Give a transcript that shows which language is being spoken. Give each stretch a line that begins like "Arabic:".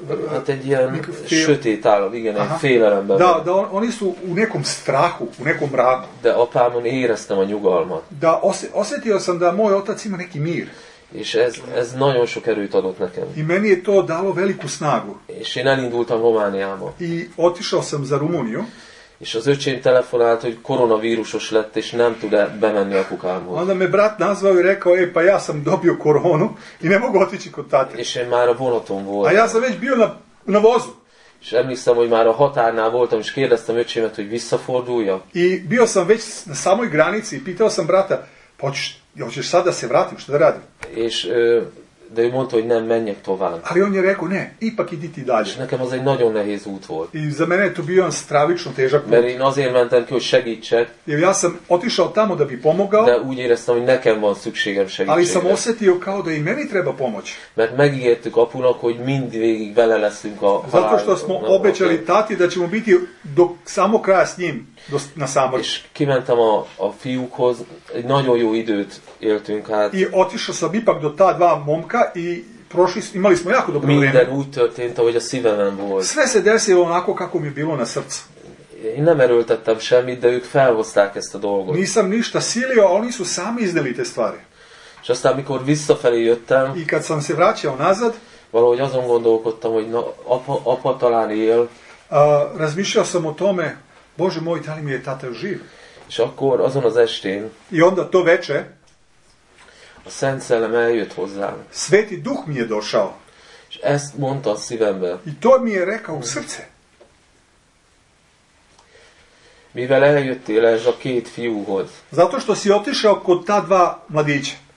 Hungarian: hát egy ilyen sötét állam, igen, aha, egy félelemben.
Serbian: De oni su u nekom strahu, u nekom mraku.
Hungarian: De apámon éreztem a nyugalmat.
Serbian: Da osetio sam da moj otac ima neki mir.
Hungarian: És ez nagyon sok erőt adott nekem.
Serbian: I meni je to dalo veliku snagu.
Hungarian: És én elindultam Romániába.
Serbian: I otišao sam za Rumuniju.
Hungarian: És az öcsém telefonált, hogy koronavírusos lett, és nem tud bemenni a kukámhoz.
Serbian: Onda me brat nazval, hogy rekao, pa ja sam dobio koronu, i ne mogu otići kod tate.
Hungarian: És én már a vonaton voltam.
Serbian: A ja sam već bio na vozu.
Hungarian: És emlékszem, hogy már a határnál voltam, és kérdeztem öcsémet, hogy visszafordulja.
Serbian: I bio sam već na samoj granici, i pitao sam brata, pa hoćeš sad da se vratim, što da radim?
Hungarian: És de ő mondta, hogy nem menjek tovább.
Serbian: Ali on je rekao, ne, ipak idi ti dalje.
Hungarian: És nekem az egy nagyon nehéz út volt.
Serbian: I za mene to bio jedan stravično težak put.
Hungarian: Mert én azért mentem ki, hogy segítsek.
Serbian: Jer ja sam otišao tamo da bi pomogao.
Hungarian: De úgy éreztem, hogy nekem van szükségem segítségre.
Serbian: Ali sam osetio kao da i meni treba pomoć.
Hungarian: Mert megígértük apunak, hogy mindvégig vele leszünk a halálunknak.
Serbian: Zato što smo obećali tati da ćemo biti do samo kraja s njim. Na samar.
Hungarian: És kimentem a fiúkhoz, egy nagyon jó időt éltünk át.
Serbian: I otišao sam ipak do ta dva momka i prošli, imali smo jako dobro vrijeme.
Hungarian: Minden úgy történt, ahogy a szívemen volt.
Serbian: Sve se desilo onako kako mi je bilo na srcu.
Hungarian: Én nem erőltettem semmit, de ők felhozták ezt a dolgot.
Serbian: Nisam ništa silio, oni su sami izneli te stvari.
Hungarian: És aztán, amikor visszafelé jöttem,
Serbian: i kad sam se vraćao nazad,
Hungarian: valahogy azon gondolkodtam, hogy na, apa talán él.
Serbian: Razmišljao sam o tome, Bože moj, da li mi je tata živ?
Hungarian: És akkor azon az estén,
Serbian: i onda to veče,
Hungarian: a Szent Szellem eljött hozzám.
Serbian: Sveti Duh mi je došao.
Hungarian: És ezt mondta a szívembe.
Serbian: I to mi je rekao u srce.
Hungarian: Mivel eljöttél ez a két fiúhoz.
Serbian: Zato što si otišao kod ta dva mladića.